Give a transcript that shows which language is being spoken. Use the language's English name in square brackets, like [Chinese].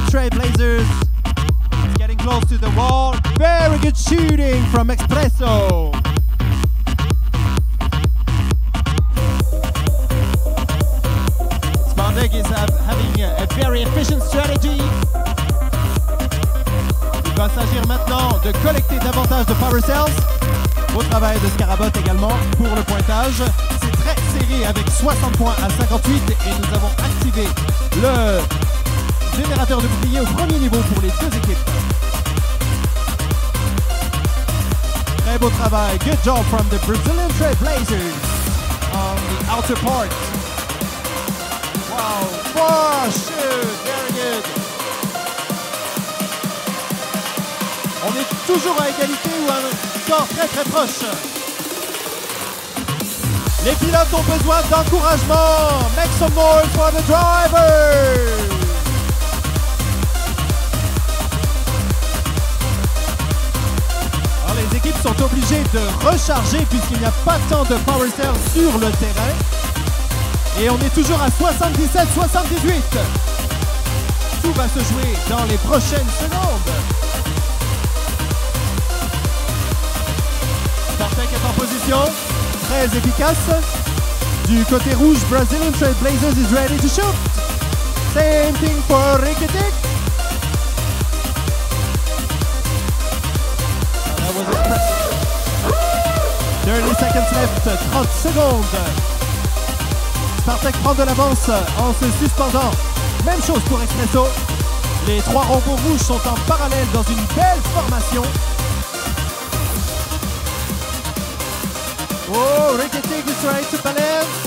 [English] Blazers, it's getting close to the wall. Very good shooting from Espresso. Spartak is having a very efficient strategy. [French] Il va s'agir maintenant de collecter davantage de power cells. Beau travail de Scarabot également pour le pointage. C'est très serré avec 60 points à 58 et nous avons activé le générateur de bouclier au premier niveau pour les deux équipes. Très beau travail. [English] Good job from the Brazilian Trail Blazers on the outer part. Wow. Four shoot. Very good. [French] On est toujours à égalité ou à un score très très proche. Les pilotes ont besoin d'encouragement. [English] Make some noise for the drivers. [French] Les équipes sont obligées de recharger puisqu'il n'y a pas tant de power cells sur le terrain. Et on est toujours à 77-78. Tout va se jouer dans les prochaines secondes. Spartak est en position, très efficace. Du côté rouge, Brazilian Trail Blazers [English] is ready to shoot. Same thing for Rikitic. [French] Dernier [English] seconds left, [French] 30 secondes. Spartak prend de l'avance en se suspendant. Même chose pour Espresso. Les trois robots rouges sont en parallèle dans une belle formation. [English] Oh, Rikitic is right to balance.